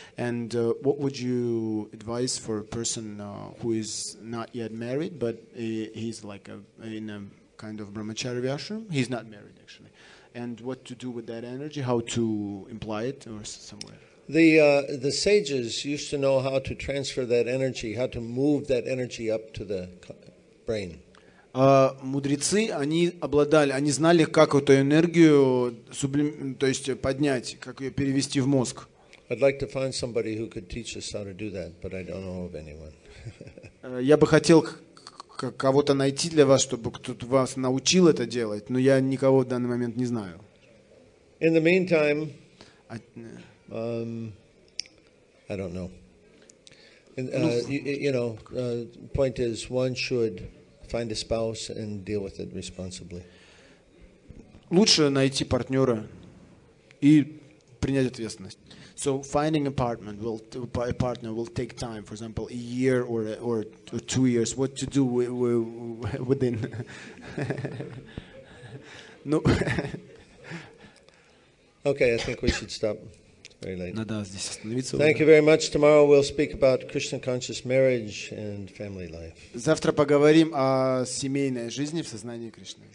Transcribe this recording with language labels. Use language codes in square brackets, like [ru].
[en] And what would you advise for a person who is not yet married, but he's like in a kind of brahmachari ashram? He's not married actually. And what to do with that energy? How to imply it or somewhere? The sages used to know how to transfer that energy, how to move that energy up to the brain. [ru] Мудрецы, они обладали, они знали, как эту энергию то есть поднять, как ее перевести в мозг. [en] I'd like to find somebody who could teach us how to do that, but I don't know of anyone. [ru] Я бы хотел кого-то найти для вас, чтобы кто-то вас научил это делать, но я никого в данный момент не знаю. [en] In the meantime, I don't know. And, you know, point is, one should find a spouse and deal with it responsibly. [ru] Лучше найти партнера и принять ответственность. [en] So finding a partner will take time, for example, a year or 2 years. What to do within? No. Okay, I think we should stop. It's very late. [ru] Надо здесь остановиться. [en] Thank you very much. Tomorrow we'll speak about Krishna conscious marriage and family life. [ru] Завтра поговорим о семейной жизни в сознании Кришны.